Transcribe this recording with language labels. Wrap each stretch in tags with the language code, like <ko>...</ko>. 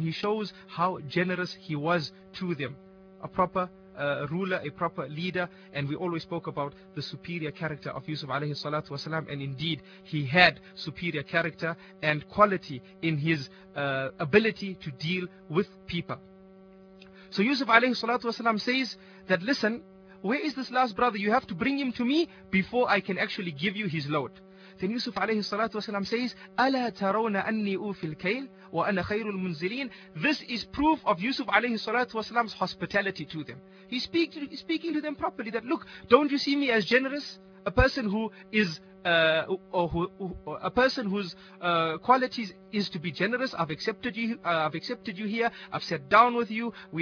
<en>He shows how generous he was to them. A proper ruler, a proper leader, and we always spoke about the superior character of Yusuf alayhi salatu wasalam, and indeed he had superior character and quality in his ability to deal with people. So Yusuf alayhi salatu wasalam says that, listen, where is this last brother? You have to bring him to me before I can actually give you his load. Then Yusuf alayhi salatu wasalam says,</en> <ar>أَلَا تَرَوْنَ أَنِّي أُوفِ الْكَيْلِ وَأَنَا خَيْرُ الْمُنزِلِينَ.</ar> <en>This is proof of Yusuf alayhi salatu wasalam's hospitality to them. He's speaking to them properly that, look, don't you see me as generous? A person who is, a person whose qualities is to be generous. I've accepted you here. I've sat down with you.</en>